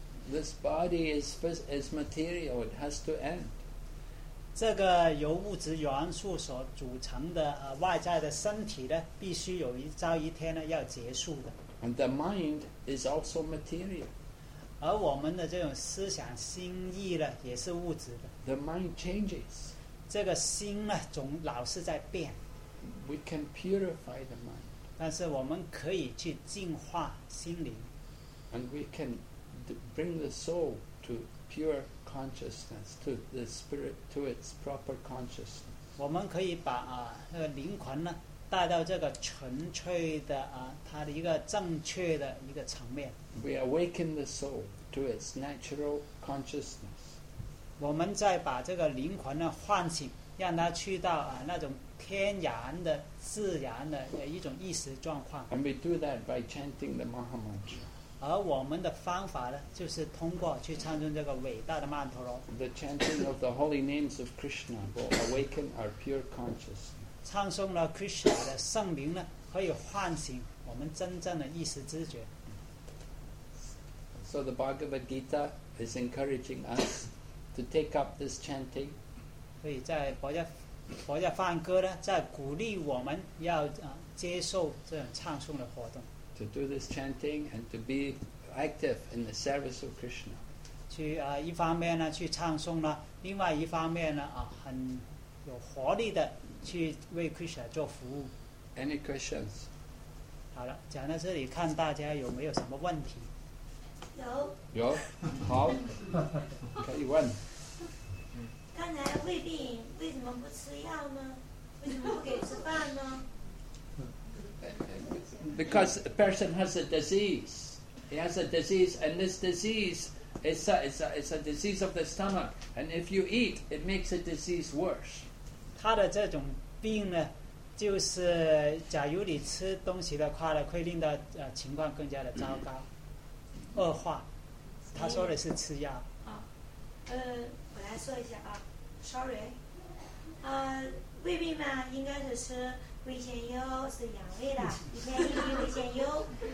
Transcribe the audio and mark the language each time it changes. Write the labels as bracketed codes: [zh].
[en] This body is material; it has to end. [zh] 这个由物质元素所组成的外在的身体呢，必须有一朝一天呢要结束的。 [en] And the mind is also material. [zh] 而我们的这种思想心意呢，也是物质的。 [en] The mind changes. [zh] 这个心呢，总老是在变。 [en] We can purify the mind. [zh] 但是我们可以去净化心灵。 [en] And we can bring the soul to pure consciousness, to the spirit, to its proper consciousness. [zh] 我们可以把啊，那个灵魂呢带到这个纯粹的啊，它的一个正确的一个层面。 [en] We awaken the soul to its natural consciousness. [zh] 我们再把这个灵魂呢唤醒，让它去到啊那种天然的、自然的一种意识状况。 [en] And we do that by chanting the Maha Mantra. [zh] 而我们的方法呢，就是通过去唱诵这个伟大的曼陀罗。 [en] The chanting of the holy names of Krishna will awaken our pure consciousness. [zh] 唱诵了 Krishna 的圣名呢，可以唤醒我们真正的意识知觉。 [en] So the Bhagavad Gita is encouraging us to take up this chanting. [zh] 所以在佛家梵歌呢，在鼓励我们要接受这种唱诵的活动。 [en] To do this chanting and to be active in the service of Krishna. [zh] 去一方面呢去唱诵呢，另外一方面呢很有活力的。去为 Krishna 做服务。 [en] Any questions? [zh] 好了，讲到这里，看大家有没有什么问题。有。好。可以问。刚才胃病为什么不吃药呢？为什么不给吃饭呢 [en] ？Because a person has a disease. He has a disease, and this disease is a disease of the stomach. And if you eat, it makes the disease worse. [zh] 他的这种病呢，就是假如你吃东西的话呢，会令到情况更加的糟糕、恶化。他说的是吃药。我来说一下啊 ，sorry， 胃病嘛，应该是吃胃酰优，是养胃的，一天一粒胃酰优。